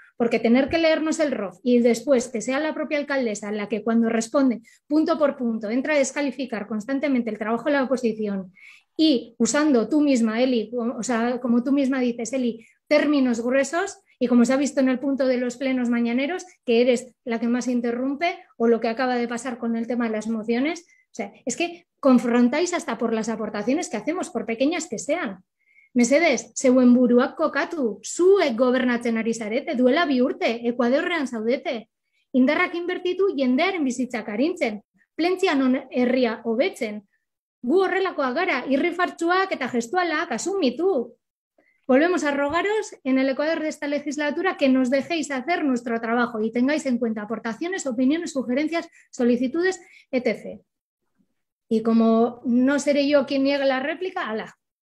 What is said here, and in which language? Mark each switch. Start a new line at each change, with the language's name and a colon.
Spanish: Porque tener que leernos el ROF y después que sea la propia alcaldesa la que cuando responde punto por punto entra a descalificar constantemente el trabajo de la oposición y usando tú misma, Eli, o sea, como tú misma dices, Eli, términos gruesos, y como se ha visto en el punto de los plenos mañaneros, que eres la que más interrumpe, o lo que acaba de pasar con el tema de las mociones, o sea, es que confrontáis hasta por las aportaciones que hacemos, por pequeñas que sean.
Basque: Mesedez, zeuen buruak kokatu, zuek gobernatzen ari zarete, duela bi urte, Ekuadorrean zaudete. Indarrak inbertitu jendearen bizitzak arintzen, Plentzia non herria hobetzen. Gu horrelakoa gara, irrifartsuak eta gestualak asumitu.
Spanish: Volvemos a rogaros en el Ecuador de esta legislatura que nos dejéis hacer nuestro trabajo y tengáis en cuenta aportaciones, opiniones, sugerencias, solicitudes, etc. Y como no seré yo quien niegue la réplica, ¡hala!